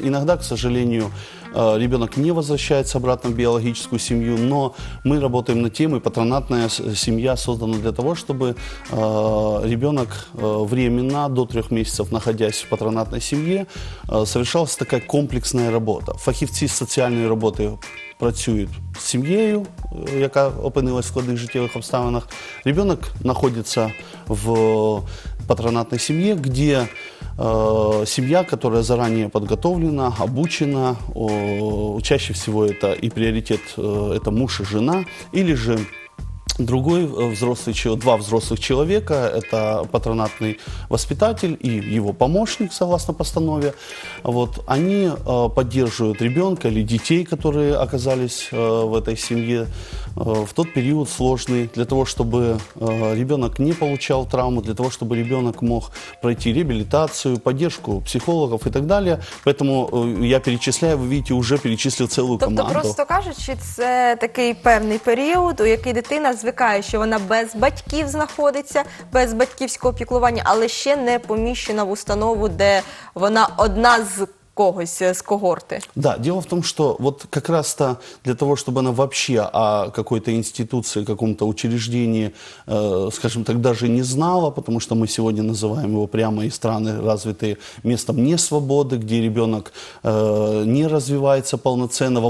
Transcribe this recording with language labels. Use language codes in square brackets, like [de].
[ru] Иногда, к сожалению, ребенок не возвращается обратно в биологическую семью, но мы работаем над тем, и патронатная семья создана для того, чтобы ребенок временно, до 3 месяцев находясь в патронатной семье, совершалась такая комплексная работа. [uk] Фахівці [ru] социальной работы [uk] працюют [ru] с семьей, [uk] яка опинилась в складних життєвих обставинах. [ru] Ребенок находится в патронатной семье, где семья, которая заранее подготовлена, обучена, чаще всего это и приоритет, это муж и жена, или же другой взрослый человек, два взрослых человека, это патронатный воспитатель и его помощник, согласно постанове, вот, они поддерживают ребенка или детей, которые оказались в этой семье в тот период сложный, для того, чтобы ребенок не получал травму, для того, чтобы ребенок мог пройти реабилитацию, поддержку психологов и так далее. Поэтому я перечисляю, вы видите, уже перечислил целую команду. [uk] Просто кажучи, це такий певний період, у який дитина звикає, що вона без батьків знаходиться, без батьківського піклування, але ще не поміщена в установу, де вона одна з когось, з когорти. [ru] Да, дело в том, что вот как раз-то для того, чтобы она вообще о какой-то институции, каком-то учреждении, скажем так, даже не знала, потому что мы сегодня называем его прямо из страны развитые местом несвободы, где ребенок не развивается полноценно.